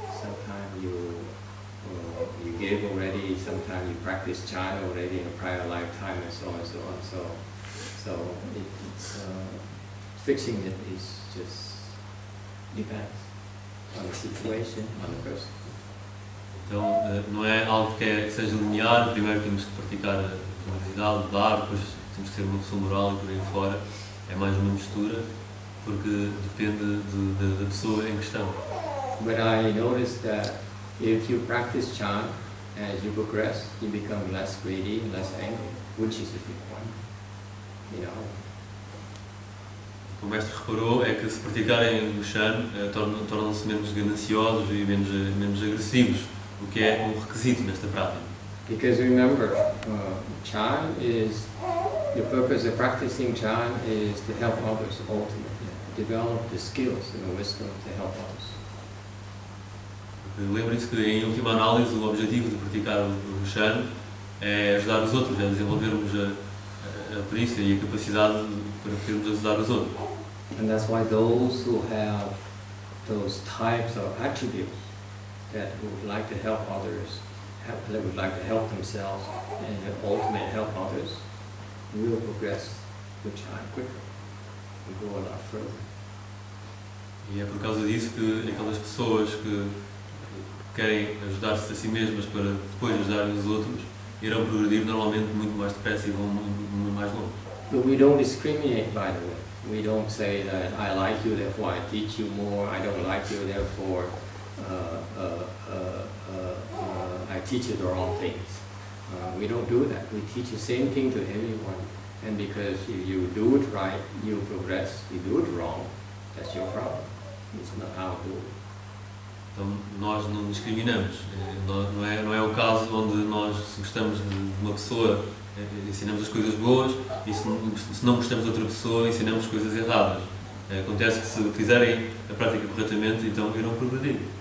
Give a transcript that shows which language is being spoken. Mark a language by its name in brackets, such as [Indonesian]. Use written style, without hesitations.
[English] Sometimes you give already, sometimes you practice chan already in a prior lifetime and so on and so on. So it's fixing it is just depends on the situation, on the person. [Portuguese] Então, não é algo que seja linear. Primeiro temos que praticar a moralidade, dar, depois temos que ser uma pessoa moral e por aí fora. É mais uma mistura, porque depende da pessoa em questão. [English] But I noticed that if you practice chan, as you progress, you become less greedy, less angry, which is a big one. You know? [Portuguese] O mestre reparou é que se praticarem o chan, tornam-se menos gananciosos e menos agressivos, o que é um requisito nesta prática. [English] Because remember, chan is... The purpose of practicing chan is to help others ultimately. Develop the skills and the wisdom to help others. [Portuguese] Lembre-se que, em última análise, o objetivo de praticar o chan é ajudar os outros, é desenvolvermos a perícia e a capacidade para podermos ajudar os outros. [English] And that's why those who have those types of attributes that would like to help others, that would like to help themselves and ultimately help others, will progress with time quicker. We go a lot further. [Portuguese] E é por causa disso que aquelas pessoas que querem ajudar-se a si mesmas para depois ajudar os outros irão progredir normalmente muito mais depressa e vão muito mais longe. [English] But we don't discriminate, by the way. We don't say that I like you, therefore I teach you more. I don't like you, therefore I teach you the wrong things. We don't do that. We teach the same thing to everyone. And because if you do it right, you progress. If you do it wrong, that's your problem. It's not how to do it. [Portuguese] Então, nós não discriminamos. Não é o caso onde nós, se gostamos de uma pessoa, ensinamos as coisas boas, e se não gostamos de outra pessoa, ensinamos coisas erradas. Acontece que se fizerem a prática corretamente, então irão progredir.